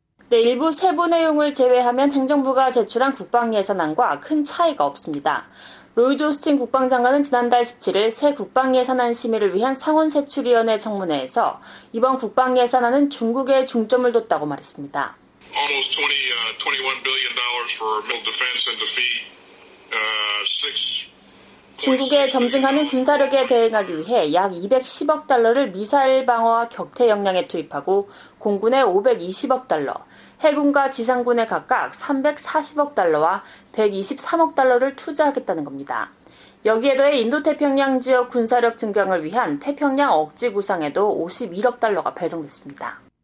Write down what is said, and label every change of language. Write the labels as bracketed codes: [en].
[ko] 네, 일부 세부 내용을 제외하면 행정부가 제출한 국방 예산안과 큰 차이가 없습니다. 로이드 오스틴 국방장관은 지난달 17일 새 국방 예산안 심의를 위한 상원 세출위원회 청문회에서 이번 국방 예산안은 중국에 중점을 뒀다고 말했습니다. [en] Almost 21 billion dollars for missile defense and defeat. [ko] 중국의 점증하는 군사력에 대응하기 위해 약 210억 달러를 미사일 방어와 격퇴 역량에 투입하고 공군에 520억 달러, 해군과 지상군에 각각 340억 달러와 123억 달러를 투자하겠다는 겁니다. 여기에 더해 인도태평양 지역 군사력 증강을 위한 태평양 억지 구상에도 51억 달러가 배정됐습니다.